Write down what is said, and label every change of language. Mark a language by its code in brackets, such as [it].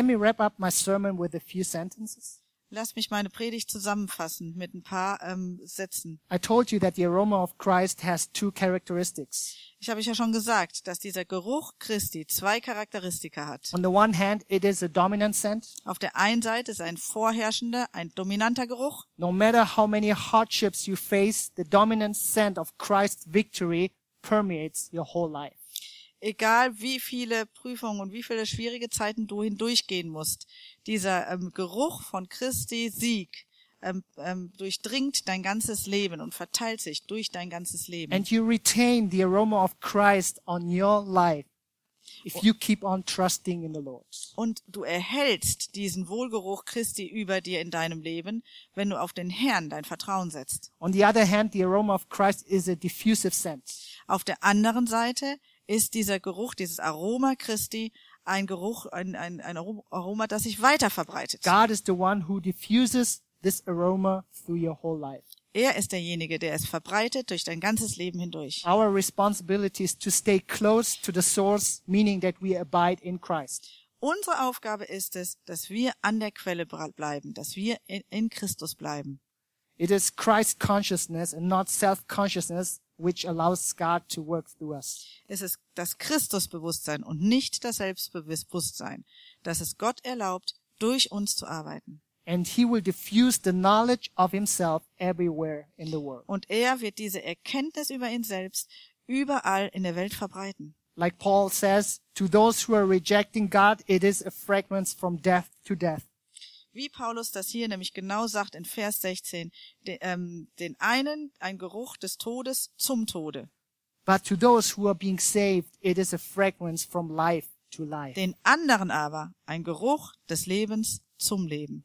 [en] Let me wrap up my sermon with a few sentences. [de] Lass mich meine Predigt zusammenfassen mit ein paar Sätzen. [en] I told you that the aroma of Christ has two characteristics. [de] Ich habe ja schon gesagt, dass dieser Geruch Christi zwei Charakteristika hat. [en] On the one hand, it is a dominant scent. [de] Auf der einen Seite ist ein vorherrschender, ein dominanter Geruch. [en] No matter how many hardships you face, the dominant scent of Christ's victory permeates your whole life. [de] Egal wie viele Prüfungen und wie viele schwierige Zeiten du hindurchgehen musst, dieser Geruch von Christi Sieg durchdringt dein ganzes Leben und verteilt sich durch dein ganzes Leben. [en] And you retain the aroma of Christ on your life If you keep on trusting in the Lord. [de] Und du erhältst diesen Wohlgeruch Christi über dir in deinem Leben, wenn du auf den Herrn dein Vertrauen setzt. [en] On the other hand, the aroma of Christ is a diffusive scent. [de] Auf der anderen Seite ist dieser Geruch, dieses Aroma Christi, ein Geruch, ein Aroma, das sich weiter verbreitet. [en] God is the one who diffuses this aroma through your whole life. [de] Er ist derjenige, der es verbreitet durch dein ganzes Leben hindurch. [en] Our responsibility is to stay close to the source, meaning that we abide in Christ. [de] Unsere Aufgabe ist es, dass wir an der Quelle bleiben, dass wir in Christus bleiben. [en] It is Christ's consciousness and not self-consciousness which allows God to work through us. [de] Es ist das Christusbewusstsein und nicht das Selbstbewusstsein, das es Gott erlaubt, durch uns zu arbeiten. [en] And he will diffuse the knowledge of himself everywhere in the world. [de] Und er wird diese Erkenntnis über ihn selbst überall in der Welt verbreiten. [en] Like Paul says, to those who are rejecting God, it is a fragrance from death to death. [de] Wie Paulus das hier nämlich genau sagt in Vers 16, den einen ein Geruch des Todes zum Tode. [en] But to those who are being saved, it is a fragrance from life to life. [de] Den anderen aber ein Geruch des Lebens zum Leben.